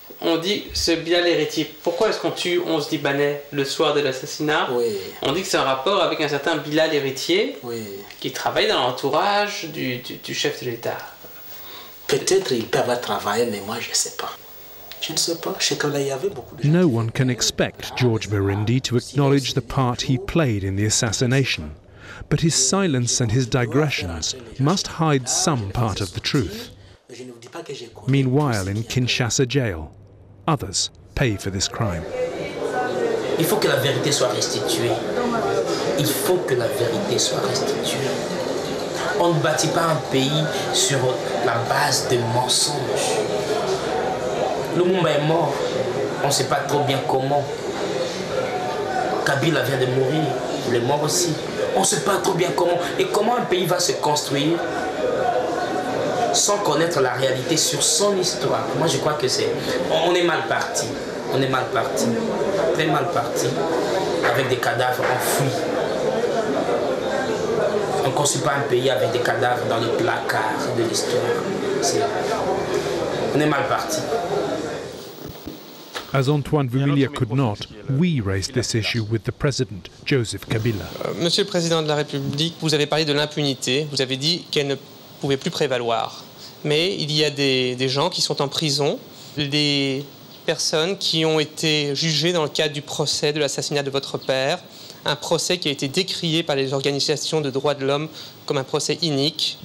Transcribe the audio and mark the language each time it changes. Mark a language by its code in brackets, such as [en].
[fr] On dit ce bien l'héritier. Pourquoi est-ce qu'on tue 11 Libanais le soir de l'assassinat? Oui. On dit que c'est un rapport avec un certain Bilal l'héritier. Oui. Qui travaille dans l'entourage du chef de l'État. Peut-être il peut avoir travaillé, mais moi je ne sais pas. Je ne sais pas. Je sais qu'il y avait beaucoup de gens. [en] No one can expect George Birindi to acknowledge the part he played in the assassination. But his silence and his digressions must hide some part of the truth. Meanwhile, in Kinshasa jail, others pay for this crime. [fr] Il faut que la vérité soit restituée. Il faut que la vérité soit restituée. On ne bâtit pas un pays sur la base de mensonges. Lumumba est mort. On ne sait pas trop bien comment. Kabila vient de mourir. Il est mort aussi. On ne sait pas trop bien comment. Et comment un pays va se construire sans connaître la réalité sur son histoire? Moi, je crois que c'est... On est mal parti. On est mal parti. Très mal parti. Avec des cadavres enfouis. On ne construit pas un pays avec des cadavres dans le placard de l'histoire. On est mal parti. [en] As Antoine Vumilia could not, we raised this issue with the president, Joseph Kabila. [fr] Monsieur le président de la République, vous avez parlé de l'impunité. Vous avez dit qu'elle ne pouvait plus prévaloir. Mais il y a des gens qui sont en prison, des personnes qui ont été jugées dans le cadre du procès de l'assassinat de votre père, un procès qui a été décrié par les organisations de droits de l'homme comme un procès inique.